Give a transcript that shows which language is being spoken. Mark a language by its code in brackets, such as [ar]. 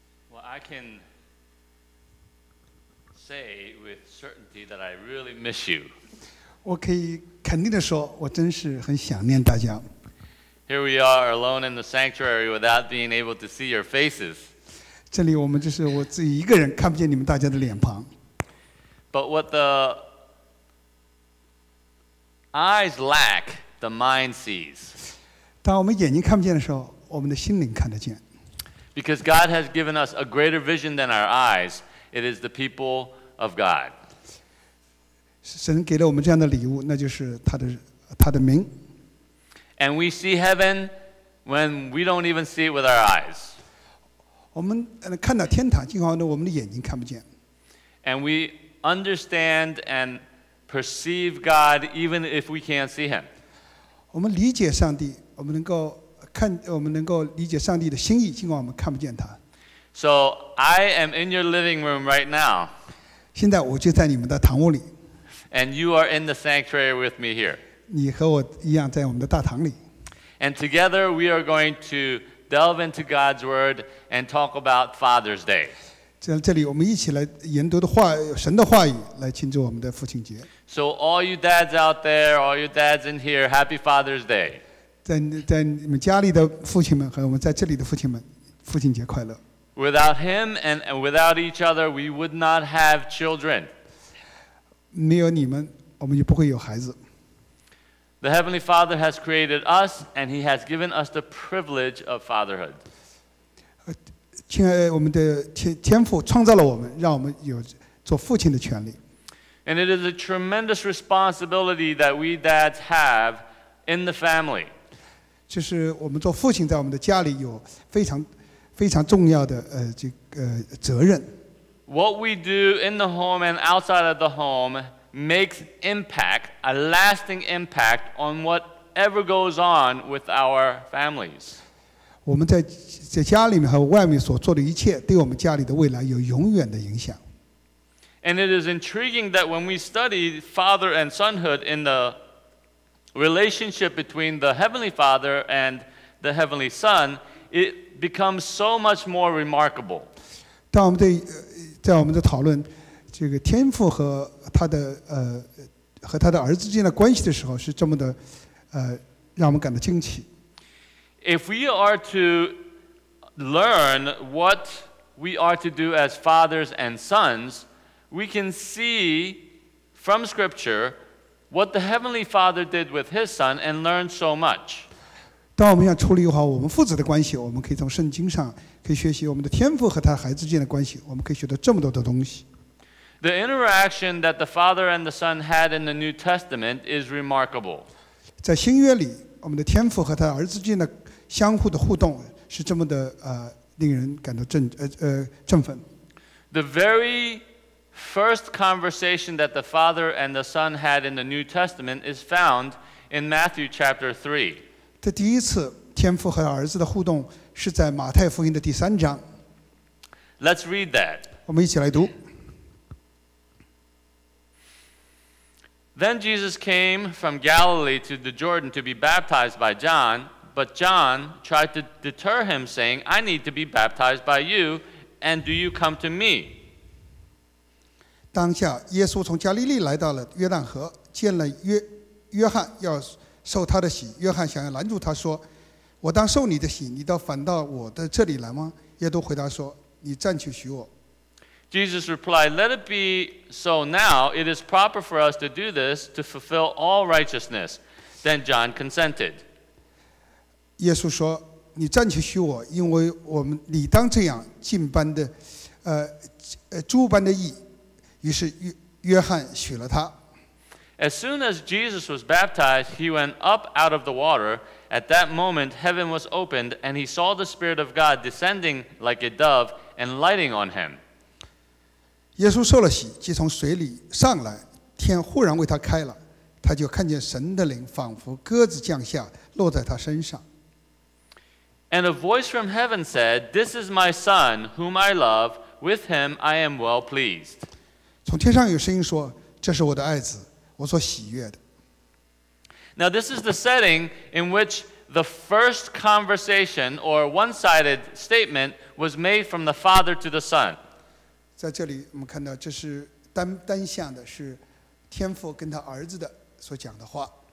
[en] Well, I can say with certainty that I really miss you. [zh] 我可以肯定地说，我真是很想念大家。 [en] Here we are alone in the sanctuary without being able to see your faces. [zh] 这里我们就是我自己一个人，看不见你们大家的脸庞。 [en] But what the eyes lack, the mind sees. [zh] 当我们眼睛看不见的时候，我们的心灵看得见。 [en] Because God has given us a greater vision than our eyes, it is the people of God. [zh] 神给了我们这样的礼物，那就是他的名。 [en] And we see heaven when we don't even see it with our eyes. [zh] 我们看到天堂，尽管我们的眼睛看不见。 [en] And we understand and perceive God even if we can't see Him. [zh] 我们理解上帝，我们能够理解上帝的心意，尽管我们看不见他。 [en] So I am in your living room right now. [zh] 现在我就在你们的堂屋里。 [en] And you are in the sanctuary with me here. [zh] 你和我一样在我们的大堂里。 [en] And together we are going to delve into God's word and talk about Father's Day. [zh] 这里我们一起来研读的话，神的话语，来庆祝我们的父亲节。 [en] So all you dads out there, all you dads in here, Happy Father's Day. [zh] 在你们家里的父亲们和我们在这里的父亲们，父亲节快乐。 [en] Without him and without each other, we would not have children. [zh] 没有你们，我们就不会有孩子。 [en] The Heavenly Father has created us, and He has given us the privilege of fatherhood. [zh] 亲爱的，我们的天父创造了我们，让我们有做父亲的权利。 [en] And it is a tremendous responsibility that we dads have in the family. [zh] 就是我们做父亲，在我们的家里有非常非常重要的责任。 [en] What we do in the home and outside of the home makes impact, a lasting impact on whatever goes on with our families. [zh] 我们在家里面和外面所做的一切，对我们家里的未来有永远的影响。 [en] And it is intriguing that when we study father and sonhood in the relationship between the Heavenly Father and the Heavenly Son, it becomes so much more remarkable. [zh] 当我们在我们的讨论这个天父和和他的儿子之间的关系的时候，是这么的让我们感到惊奇。 [en] If we are to learn what we are to do as fathers and sons,We can see from Scripture what the Heavenly Father did with His Son and learn so much. [zh] 当我们要处理好我们父子的关系，我们可以从圣经上可以学习我们的天父和他孩子之间的关系，我们可以学到这么多的东西。 [en] The interaction that the Father and the Son had in the New Testament is remarkable. [zh] 在新约里，我们的天父和他儿子之间的相互的互动是这么的令人感到振奋。 [en] The veryFirst conversation that the Father and the Son had in the New Testament is found in Matthew chapter 3. [zh] 这第一次天父和儿子的互动是在马太福音的第三章。 [en] Let's read that. [zh] 我们一起来读。 [en] Then Jesus came from Galilee to the Jordan to be baptized by John, but John tried to deter him, saying, I need to be baptized by you, and do you come to me? [zh] 当下耶稣从加利利来到了约旦河，见了 约翰要受他的洗，约翰想要拦住他说，我当受你的洗，你倒反到我的这里来吗？耶稣回答说，你暂且许我。 [en] Jesus replied, Let it be so now, it is proper for us to do this to fulfill all righteousness. Then John consented. [zh] 耶稣说，你暂且许我，因为我们理当这样尽般的诸般的义。于是约翰许了他。 [en] As soon as Jesus was baptized, he went up out of the water. At that moment, heaven was opened, and he saw the Spirit of God descending like a dove and lighting on him. [zh] 耶稣受了洗，即从水里上来，天忽然为他开了，他就看见神的灵仿佛鸽子降下，落在他身上。 [en] And a voice from heaven said, "This is my Son, whom I love. With him I am well pleased." [zh] 从天上有声音说，这是我的爱子，我所喜悦的。 [en] Now this is the setting in which the first conversation or one-sided statement was made from the Father to the Son. [zh] 在这里我们看到这是 单向的，是天父跟他儿子的所讲的话。